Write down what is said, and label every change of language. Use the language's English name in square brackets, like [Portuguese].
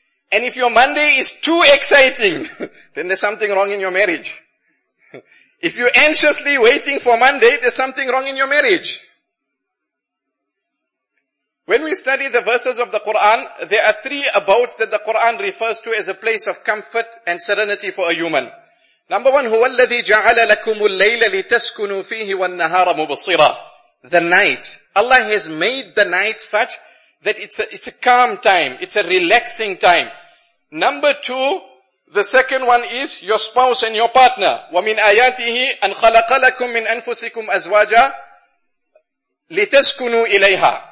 [English] And if your Monday is too exciting, then there's something wrong in your marriage. If you're anxiously waiting for Monday, there's something wrong in your marriage. When we study the verses of the Quran, there are three abodes that the Quran refers to as a place of comfort and serenity for a human. Number one, [Arabic] هو الذي جعل لكم الليل لتسكنوا فيه والنهار مبصرا. [English] The night. Allah has made the night such that it's a calm time. It's a relaxing time. Number two, the second one is your spouse and your partner. [Arabic] وَمِنْ آيَاتِهِ أَنْ خَلَقَ لَكُمْ مِنْ أَنفُسِكُمْ أَزْوَاجًا لِتَسْكُنُوا إِلَيْهَا.